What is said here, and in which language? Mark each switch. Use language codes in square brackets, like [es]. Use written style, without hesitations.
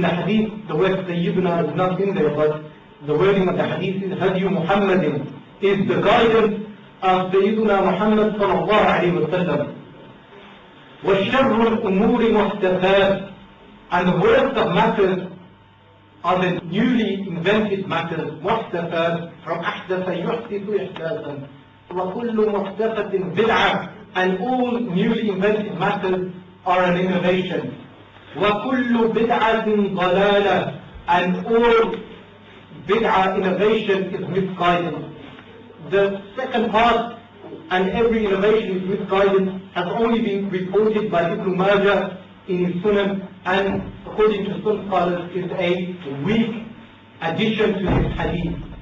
[en] In the hadith, the word Sayyidina is not in there, but the wording of the hadith is [ar] هَدْيُ مُحَمَّدٍ, [en] is the guidance of Sayyidina Muhammad sallallahu alayhi wa sallam. [ar] وَالشَّرُّ الْأُمُورِ مُحْدَثَاتٍ, [en] and the worst of matters are the newly invented matters. [ar] مُحْدَثَاتٍ, from أَحْدَثَ يُحْدِثُ إِحْدَاثًا. وَكُلُّ مُحْدَثَةٍ بِدْعَةٍ, [en] and all newly invented matters are an innovation. [ar] وَكُلُّ بِدْعَةٍ ضَلَالَةٍ, [en] and all bid'ah innovation is misguided. The second part, and every innovation is misguided, has only been reported by Ibn Majah in his Sunan, and according to some scholars is a weak addition to his hadith.